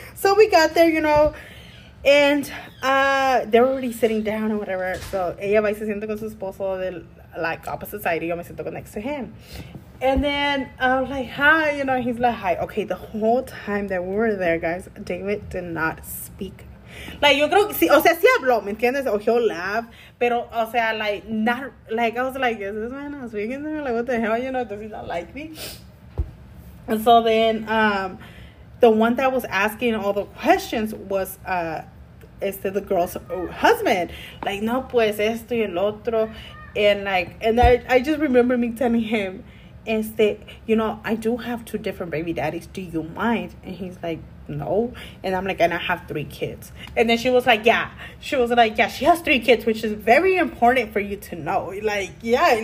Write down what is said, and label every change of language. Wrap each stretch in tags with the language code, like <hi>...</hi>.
<en>So, we got there, And they were already sitting down or whatever.</en> <es>So, ella va y se siente con su esposo de,</es> <en>like, opposite side.</en> <es>Yo me siento</es> <en>next to him. And then I was like, hi. He's like, hi. Okay, the whole time that we were there, guys, David did not speak.</en> <es>Like, yo creo que sí, o sea, sí habló, ¿me entiendes?</es> <en>O he'll laugh,</en> <es>pero, o sea,</es> <en>like, not, like, I was like, is this man not speaking to me? Like, what the hell, does he not like me? And so then, the one that was asking all the questions was, the girl's husband.</en> <es>Like, no, pues, esto y el otro.</es> <en>And I just remember me telling him, I do have two different baby daddies. Do you mind? And he's like, no. And I'm like, and I have three kids. And then she was like, yeah. She was like, yeah, she has three kids, which is very important for you to know. Like, yeah.</en>